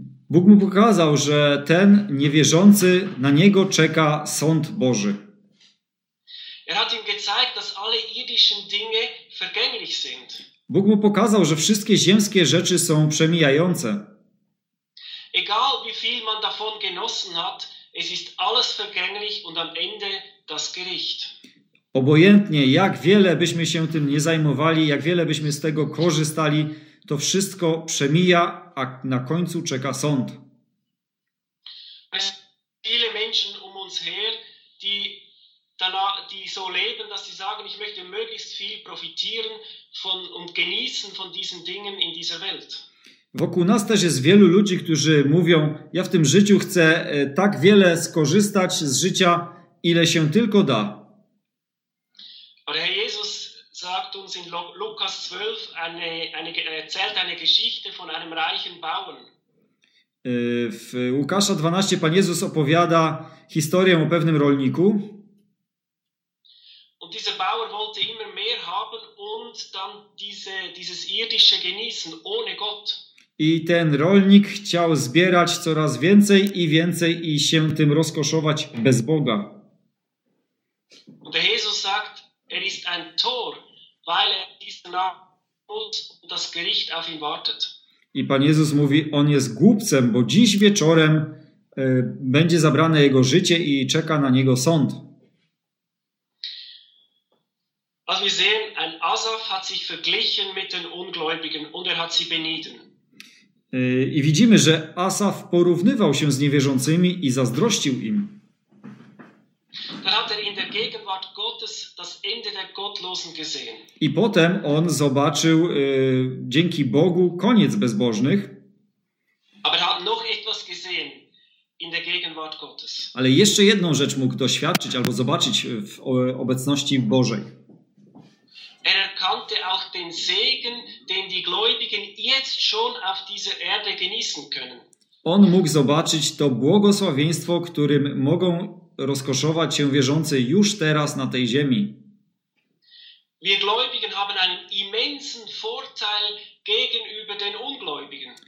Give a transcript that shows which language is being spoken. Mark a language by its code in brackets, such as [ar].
[pl] Bóg mu pokazał, że ten niewierzący, na niego czeka sąd Boży. [de] Er hat ihm gezeigt, dass alle irdischen Dinge vergänglich sind. [pl] Bóg mu pokazał, że wszystkie ziemskie rzeczy są przemijające. [de] Egal wie viel man davon genossen hat, es ist alles vergänglich und am Ende das Gericht. [pl] Obojętnie jak wiele byśmy się tym nie zajmowali, jak wiele byśmy z tego korzystali, to wszystko przemija, a na końcu czeka sąd. [de] Es sind viele Menschen um uns her, die die so leben, dass sie sagen, ich möchte möglichst viel profitieren von und genießen von diesen Dingen in dieser Welt. [pl] Wokół nas też jest wielu ludzi, którzy mówią, ja w tym życiu chcę tak wiele skorzystać z życia, ile się tylko da. [de] Ale Jezus sagt uns in Lukas 12 erzählt eine Geschichte von einem reichen Bauern. [pl] W Łukasza 12 Pan Jezus opowiada historię o pewnym rolniku. [de] Und dieser Bauer wollte immer mehr haben und dann dieses irdische genießen ohne Gott. [pl] I ten rolnik chciał zbierać coraz więcej i więcej i się tym rozkoszować bez Boga. [de] Und Jesus sagt, er ist ein Tor, weil er diesen Abend und das Gericht auf ihn wartet. [pl] I Pan Jezus mówi, on jest głupcem, bo dziś wieczorem będzie zabrane jego życie i czeka na niego sąd. [de] Was wir sehen, ein Asaf hat sich verglichen mit den Ungläubigen und er hat sie benieden. [pl] I widzimy, że Asaf porównywał się z niewierzącymi i zazdrościł im. [de] Dann hat er in der Gegenwart Gottes das Ende der Gottlosen gesehen. [pl] I potem on zobaczył dzięki Bogu koniec bezbożnych. [de] Aber er hat noch etwas gesehen in der Gegenwart Gottes. [pl] Ale jeszcze jedną rzecz mógł doświadczyć albo zobaczyć w obecności Bożej. [de] Er erkannte auch den Segen, den die Gläubigen jetzt schon auf dieser Erde genießen können. [pl] On mógł zobaczyć to błogosławieństwo, którym mogą rozkoszować się wierzący już teraz na tej ziemi. [de] Wir Gläubigen haben einen immensen Vorteil gegenüber den Ungläubigen.